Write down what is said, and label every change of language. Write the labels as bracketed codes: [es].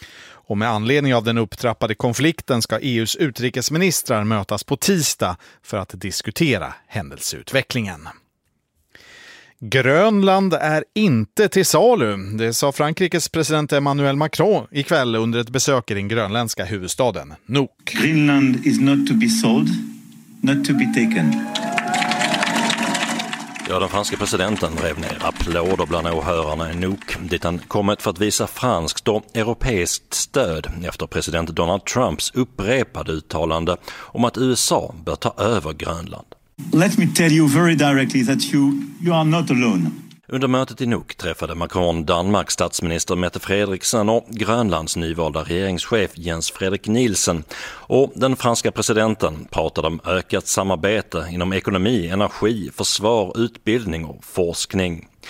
[sv] Och med anledning av den upptrappade konflikten ska EUs utrikesministrar mötas på tisdag för att diskutera händelseutvecklingen. Grönland är inte till salu. Det sa Frankrikes president Emmanuel Macron ikväll under ett besök i den grönländska huvudstaden Nuuk. [en] Greenland is not to be sold, not to be taken. [sv] Ja, den franska presidenten rev ner applåder bland åhörarna i Nuuk, dit han kommit för att visa franskt och europeiskt stöd efter president Donald Trumps upprepade uttalande om att USA bör ta över Grönland. [en] Let me tell you very directly that you are not alone. [sv] Under mötet i Nuuk träffade Macron Danmarks statsminister Mette Frederiksen och Grönlands nyvalda regeringschef Jens Fredrik Nielsen. Och den franska presidenten pratade om ökat samarbete inom ekonomi, energi, försvar, utbildning och forskning.